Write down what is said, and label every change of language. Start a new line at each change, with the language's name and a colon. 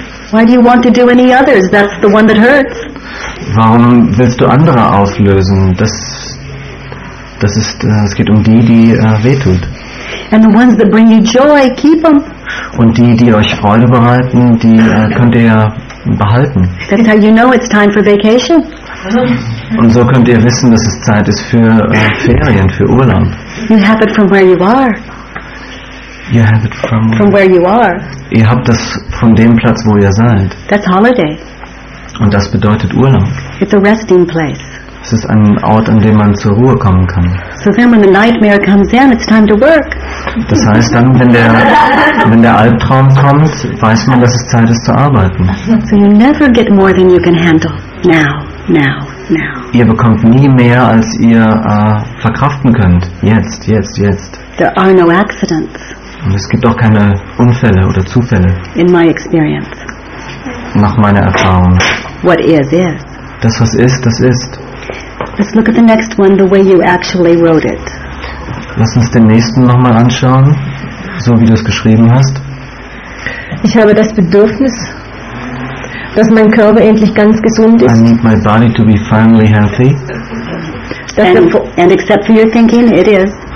English: Why do you want to do any others? That's the one that hurts.
German: Warum willst du andere auflösen? Es geht um die, die wehtut.
English: And the ones that bring you joy, keep them.
German: Und die, die euch Freude bereiten, die könnt ihr ja behalten.
English: That's how you know it's time for vacation.
German: Und so könnt ihr wissen, dass es Zeit ist für Ferien, für Urlaub.
English: You have it from where you are. You have it from where you are.
German: Ihr habt das von dem Platz, wo ihr seid.
English: That's holiday.
German: Und das bedeutet Urlaub.
English: It's a resting place.
German: Es ist ein Ort, an dem man zur Ruhe kommen kann.
English: So then when the nightmare comes in, it's time to work.
German: Das heißt dann, wenn der Albtraum kommt, weiß man, dass es Zeit ist zu arbeiten.
English: So you never get more than you can handle. Now.
German: Ihr bekommt nie mehr, als ihr verkraften könnt. Jetzt.
English: There are no accidents.
German: Und es gibt auch keine Unfälle oder Zufälle.
English: In my experience.
German: Nach meiner Erfahrung.
English: What is, is.
German: Das, was ist, das ist.
English: Let's look at the next one, the way you actually wrote it.
German: Lass uns den nächsten nochmal anschauen, so wie du es geschrieben hast. Ich habe das Bedürfnis, dass mein Körper endlich ganz gesund ist.
English: I need my body to be finally healthy. And except for your thinking, it is.